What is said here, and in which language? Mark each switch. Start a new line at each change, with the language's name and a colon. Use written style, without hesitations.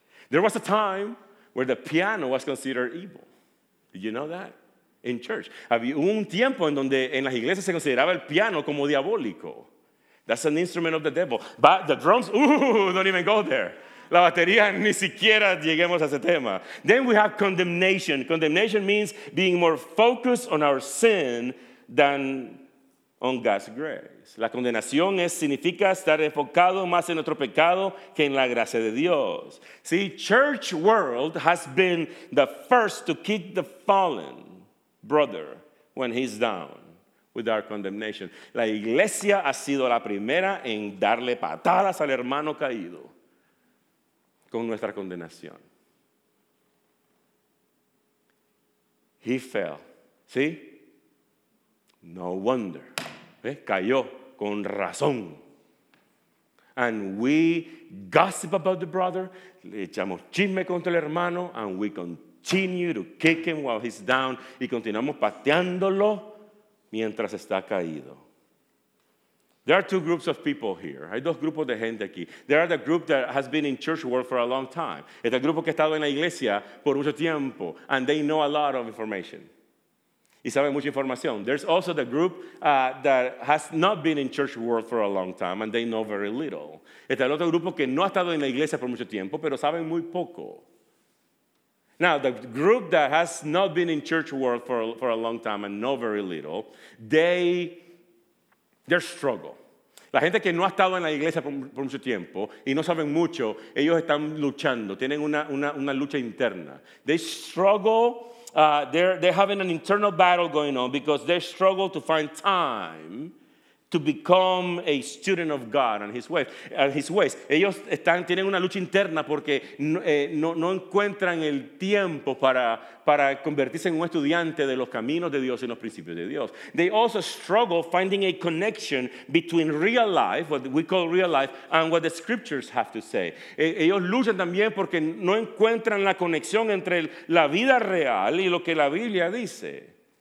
English: There was a time where the piano was considered evil. Did you know that? In church.
Spanish: Había un tiempo en donde en las iglesias se consideraba el piano como diabólico.
English: That's an instrument of the devil. But the drums, don't even go there.
Spanish: La batería, ni siquiera lleguemos a ese tema.
English: Then we have condemnation. Condemnation means being more focused on our sin than on God's grace.
Spanish: La condenación significa estar enfocado más en nuestro pecado que en la gracia de Dios.
English: See, church world has been the first to kick the fallen brother when he's down with our condemnation.
Spanish: La iglesia ha sido la primera en darle patadas al hermano caído con nuestra condenación.
English: He fell.
Spanish: ¿Sí?
English: No wonder.
Spanish: Cayó con razón.
English: And we gossip about the brother,
Spanish: le echamos chisme contra el hermano,
English: and we continue to kick him while he's down,
Spanish: y continuamos pateándolo mientras está caído.
English: There are two groups of people here.
Spanish: Hay dos grupos de gente aquí.
English: There are the group that has been in church world for a long time.
Spanish: Es el grupo que ha estado en la iglesia por mucho tiempo,
English: and they know a lot of information.
Spanish: Y saben mucha información.
English: There's also the group that has not been in church world for a long time, and they know very little.
Spanish: Está el otro grupo que no ha estado en la iglesia por mucho tiempo, pero saben muy poco.
English: Now, the group that has not been in church world for a long time and know very little, they struggle.
Spanish: La gente que no ha estado en la iglesia por mucho tiempo y no saben mucho, ellos están luchando, tienen una lucha interna.
English: They struggle. They're having an internal battle going on because they struggle to find time to become a student of God and His ways.
Spanish: Ellos tienen una lucha interna porque no encuentran el tiempo para convertirse en un estudiante de los caminos de Dios y los principios de Dios.
English: They also struggle finding a connection between real life, what we call real life, and what the scriptures have to say.
Spanish: Ellos luchan también porque no encuentran la conexión entre la vida real y lo que la Biblia dice.